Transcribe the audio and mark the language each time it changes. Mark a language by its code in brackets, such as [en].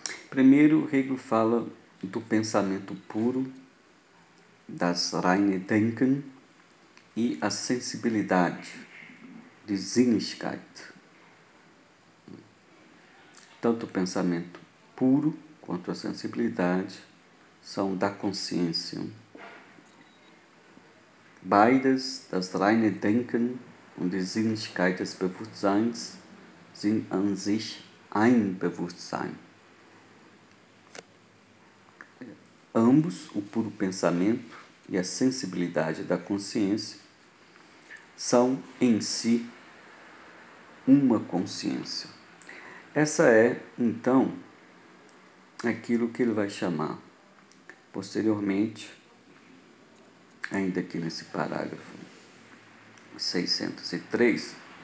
[pt] Primeiro, Hegel fala do pensamento puro, [de] das reine Denken [pt] e a sensibilidade, de Sinnlichkeit. Tanto o pensamento puro quanto a sensibilidade são da consciência. [de] Beides, das reine Denken und die Sinnlichkeit des Bewusstseins, sind an sich ein Bewusstsein. [pt] Ambos, o puro pensamento e a sensibilidade da consciência, são em si uma consciência. Essa é, então, aquilo que ele vai chamar posteriormente, ainda aqui nesse parágrafo 603,